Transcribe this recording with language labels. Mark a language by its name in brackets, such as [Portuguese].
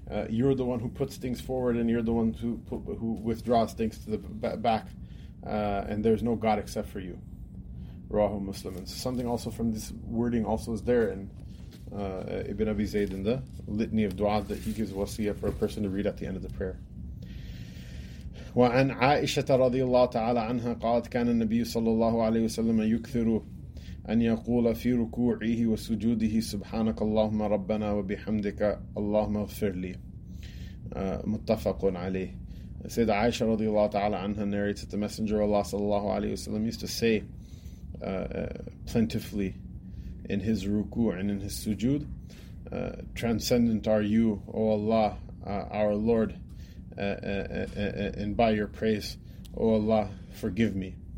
[English] You're the one who puts things forward, and you're the one who withdraws things to the back, and there's no God except for you. Rahu Muslim. And so something also from this wording also is there in Ibn Abi Zayd in the litany of du'a that he gives wasiyah for a person to read at the end of the prayer. [Arabic] وعن عائشة رضي الله تعالى عنها قالت كان النبي صلى الله عليه وسلم يكثر أن يقول في ركوعه وسجوده سبحانك اللهم ربنا وبحمدك اللهم اغفر لي متفق عليه. سيد عائشة رضي الله تعالى عنها [English] narrates that the Messenger of Allah [Arabic] صلى الله عليه وسلم [English] used to say plentifully in his ruku' and in his sujood, transcendent are you, O Allah, our Lord, and by your praise, O Allah, forgive me.